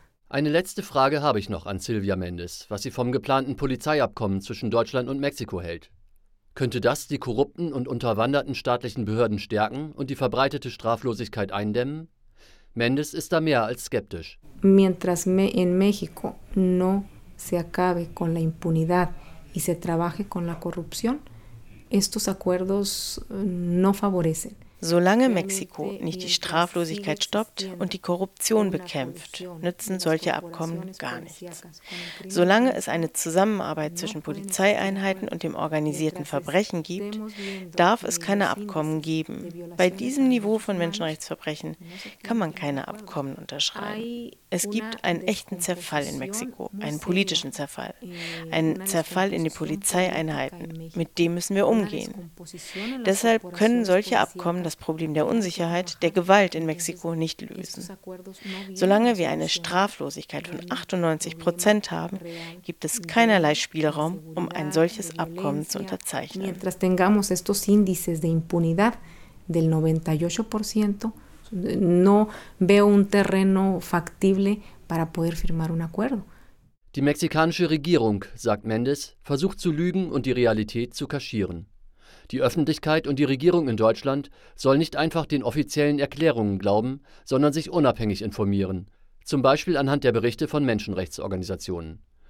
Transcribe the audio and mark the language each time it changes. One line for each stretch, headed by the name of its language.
German: Eine letzte Frage habe ich noch an Silvia Mendes, was sie vom geplanten Polizeiabkommen zwischen Deutschland und Mexiko hält. Könnte das die korrupten und unterwanderten staatlichen Behörden stärken und die verbreitete Straflosigkeit eindämmen? Mendes ist da mehr als skeptisch.
Spanish: Mientras en México no se acabe con la impunidad y se trabaje con la corrupción, estos acuerdos no favorecen.
German: Solange Mexiko nicht die Straflosigkeit stoppt und die Korruption bekämpft, nützen solche Abkommen gar nichts. Solange es eine Zusammenarbeit zwischen Polizeieinheiten und dem organisierten Verbrechen gibt, darf es keine Abkommen geben. Bei diesem Niveau von Menschenrechtsverbrechen kann man keine Abkommen unterschreiben. Es gibt einen echten Zerfall in Mexiko, einen politischen Zerfall, einen Zerfall in den Polizeieinheiten. Mit dem müssen wir umgehen. Deshalb können solche Abkommen das Problem der Unsicherheit, der Gewalt in Mexiko nicht lösen. Solange wir eine Straflosigkeit von 98% haben, gibt es keinerlei Spielraum, um ein solches Abkommen zu unterzeichnen.
Spanish: Mientras tengamos estos índices de impunidad del 98%, no veo un terreno factible para poder firmar un acuerdo.
German: Die mexikanische Regierung, sagt Mendes, versucht zu lügen und die Realität zu kaschieren. Die Öffentlichkeit und die Regierung in Deutschland soll nicht einfach den offiziellen Erklärungen glauben, sondern sich unabhängig informieren, zum Beispiel anhand der Berichte von Menschenrechtsorganisationen.